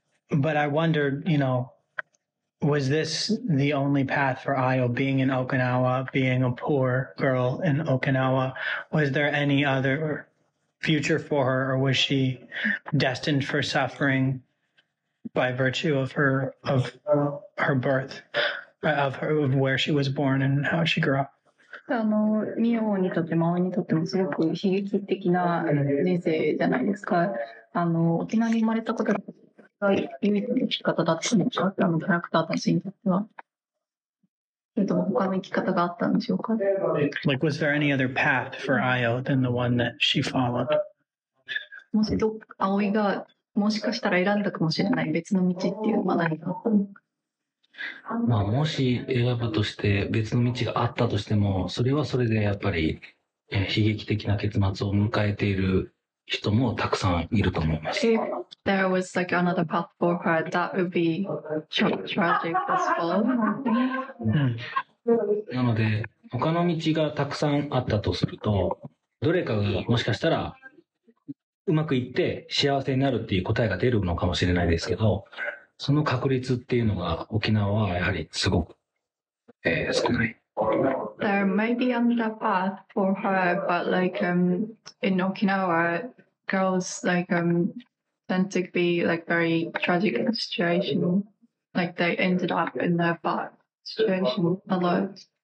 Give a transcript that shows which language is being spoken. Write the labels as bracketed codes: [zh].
[en] But I wondered, you know, was this the only path for Ayo, being in Okinawa, being a poor girl in Okinawa? Was there any other future for her, or was she destined for suffering by virtue of her birth, of where she was born and how she grew up? [ja] ミオにとってマオにとってもすごく悲劇的な人生じゃないですか。沖縄に生まれたことが唯一の生き方だったのか、あのキャラクターたちにとっては。それとも他の生き方があったんでしょうか。 [en] Like, was there any other path for Ayo than the one that she followed? [ja] もしと、葵がもしかしたら選んだかもしれない別の道っていうのは何があったのか。まあ、もし選ぶとして別の道があったとしても、それはそれでやっぱり悲劇的な結末を迎えている人もたくさんいると思います。 [en] If there was like another path for her, that would be tragic as well. [ja] なので他の道がたくさんあったとすると、どれかがもしかしたらうまくいって幸せになるっていう答えが出るのかもしれないですけど、その確率っていうのが沖縄はやはりすごく、少ない。 [en] There may be another path for her, but like, in Okinawa, girls like, tend to be like very tragic situation. Like they ended up in their bad situation a lot.